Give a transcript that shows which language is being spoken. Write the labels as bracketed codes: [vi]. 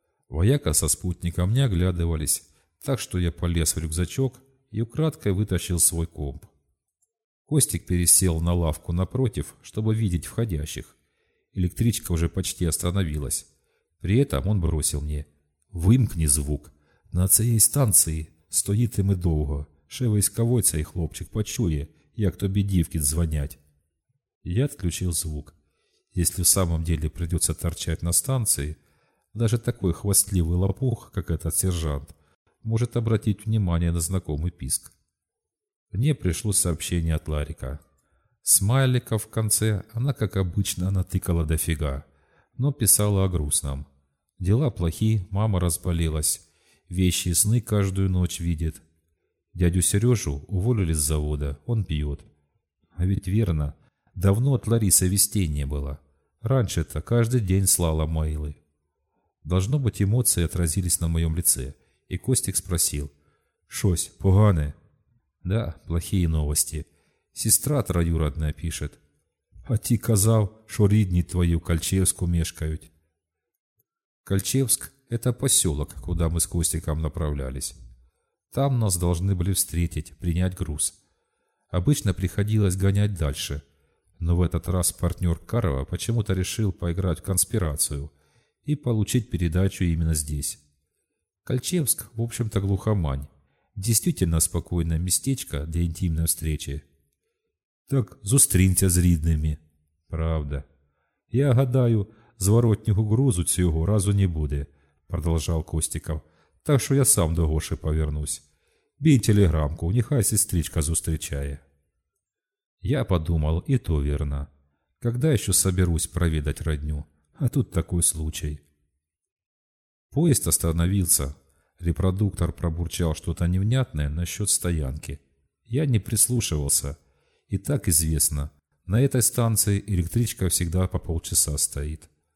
[ru] Вояка со спутником не оглядывались, так что я полез в рюкзачок и украдкой вытащил свой комп. Костик пересел на лавку напротив, чтобы видеть входящих. Электричка уже почти остановилась. При этом он бросил мне: [uk] «Вимкни звук. На цієї станції стоїтиме довго. Ще військовий цей хлопчик почує, як тобі дівки дзвонять». [ru] Я отключил звук. Если в самом деле придется торчать на станции, даже такой хвастливый лопух, как этот сержант, может обратить внимание на знакомый писк. Мне пришло сообщение от Ларика. Смайлика в конце она, как обычно, натыкала дофига, но писала о грустном. Дела плохи, мама разболелась, вещи и сны каждую ночь видит. Дядю Сережу уволили с завода, он пьет. А ведь верно, давно от Ларисы вестей не было. Раньше-то каждый день слала мейлы. Должно быть, эмоции отразились на моем лице. И Костик спросил: [uk] «Шось, погане?» [ru] «Да, плохие новости. Сестра троюродная пишет. [uk] А ти казав, шо рідні твої в Кальчевску мешкают». [ru] Кальчевск – это поселок, куда мы с Костиком направлялись. Там нас должны были встретить, принять груз. Обычно приходилось гонять дальше. Но в этот раз партнер Карова почему-то решил поиграть в конспирацию и получить передачу именно здесь. Кальчевск, в общем-то, глухомань. Действительно спокойное местечко для интимной встречи. [uk] «Так зустринься с рідними». [ru] «Правда. [uk] Я гадаю, зворотнього грузу цього разу не буде», – продолжал Костиков. «Так что я сам до Гоши повернусь. Бей телеграмку, нехай сестричка зустрічає». [ru] Я подумал, и то верно. Когда еще соберусь проведать родню? А тут такой случай. Поезд остановился. Репродуктор пробурчал что-то невнятное насчет стоянки. Я не прислушивался. И так известно, на этой станции электричка всегда по полчаса стоит.